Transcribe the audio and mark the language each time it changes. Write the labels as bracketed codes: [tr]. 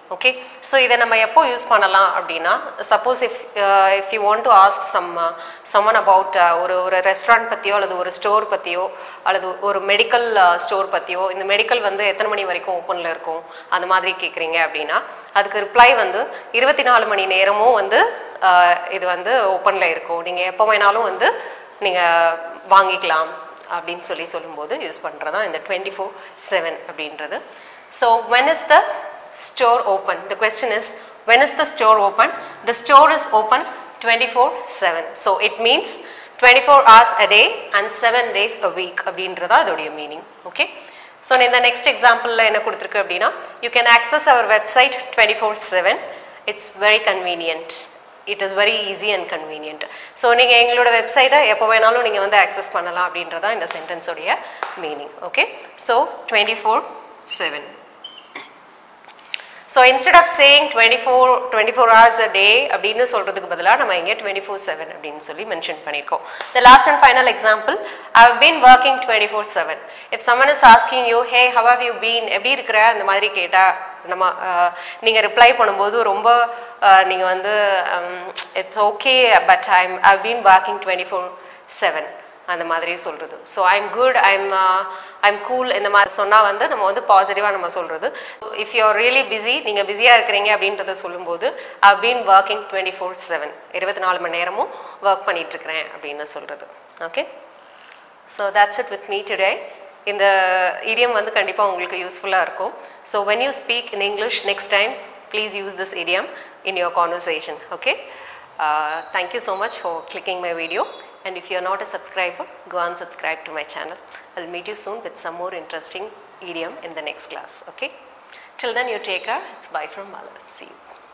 [ta] Okay, so இதை நம்ம எப்போ யூஸ் பண்ணலாம் அப்படின்னா, [en] suppose if you want to ask someone about [ta] ஒரு ரெஸ்டாரண்ட் பற்றியோ, அல்லது ஒரு ஸ்டோர் பற்றியோ, அல்லது ஒரு மெடிக்கல் ஸ்டோர் பற்றியோ, இந்த மெடிக்கல் வந்து எத்தனை மணி வரைக்கும் ஓப்பனில் இருக்கும் அந்த மாதிரி கேட்குறீங்க அப்படின்னா, அதுக்கு ரிப்ளை வந்து 24 மணி நேரமும் வந்து இது வந்து ஓப்பனில் இருக்கும், நீங்கள் எப்போ வேணாலும் வந்து நீங்கள் வாங்கிக்கலாம் அப்படின்னு சொல்லி சொல்லும்போது யூஸ் பண்ணுறது தான் இந்த 24/7 அப்படின்றது. [en] So when is the store open? The question is, when is the store open? The store is open 24/7. So it means 24 hours a day and 7 days a week [ta] அப்படின்றது அதோடைய மீனிங். ஓகே, ஸோ இந்த next எக்ஸாம்பிளில் என்ன கொடுத்துருக்கு அப்படின்னா, [en] You can access our website 24/7. It's very convenient, it is very easy and convenient. [ta] So நீங்கள் எங்களோட வெப்சைட்டை எப்போ வேணாலும் நீங்கள் வந்து ஆக்சஸ் பண்ணலாம் அப்படின்றதான் இந்த சென்டென்ஸோடைய meaning. Okay, so 24/7. [en] So instead of saying 24 hours a day [ta] அப்படின்னு சொல்றதுக்கு பதிலாக நம்ம இங்கே 24/7 அப்படின்னு சொல்லி மென்ஷன் பண்ணியிருக்கோம். [en] The last and final example, I've been working 24/7. If someone is asking you, hey, how have you been, [ta] எப்படி இருக்கிற அந்த மாதிரி கேட்டால் நம்ம நீங்கள் ரிப்ளை பண்ணும்போது ரொம்ப நீங்கள் வந்து [en] it's okay but I'm I've been walking 24/7 [ta] அந்த மாதிரி சொல்கிறது. [en] so I am good, I am cool [ta] இந்த மாதிரி சொன்னால் வந்து நம்ம வந்து பாசிட்டிவாக நம்ம சொல்கிறது. If you are really busy, நீங்கள் பிஸியாக இருக்கிறீங்க அப்படின்றத சொல்லும்போது, [en] I've been working 24/7, [ta] 24 மணி நேரமும் ஒர்க் பண்ணிகிட்டு இருக்கிறேன் அப்படின்னு சொல்கிறது. [en] Okay, so that's it with me today. [ta] இந்த இடியம் வந்து கண்டிப்பாக உங்களுக்கு யூஸ்ஃபுல்லாக இருக்கும். [en] So when you speak in English next time, please use this idiom in your conversation. Okay, thank you so much for clicking my video. And if you're not a subscriber, go and subscribe to my channel. I'll meet you soon with some more interesting idiom in the next class. Okay? Till then, you take care. It's bye from Malas. See you.